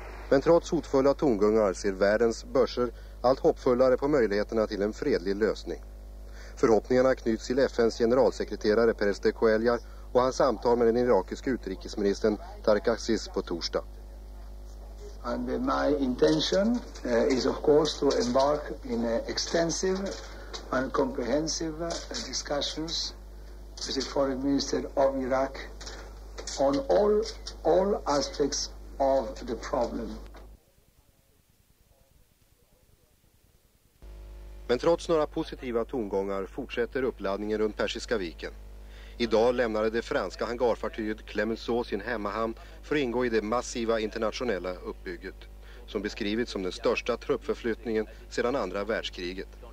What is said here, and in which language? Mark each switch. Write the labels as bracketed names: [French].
[Swedish] Men trots hotfulla tongångar ser världens börser allt hoppfullare på möjligheterna till en fredlig lösning. Förhoppningarna knyts till FNs generalsekreterare Perez de Cuellar och hans samtal med den irakiska utrikesministern Tareq Aziz på torsdag. [English] And my intention is of course to embark in extensive and comprehensive discussions with the foreign minister of Iraq on all aspects of the problem. [Swedish] Men trots några positiva tongångar fortsätter uppladdningen runt Persiska viken. Idag lämnade det franska hangarfartyget Clemenceau sin hemmahamn för att ingå i det massiva internationella uppbygget, som beskrivits som den största truppförflyttningen sedan andra världskriget.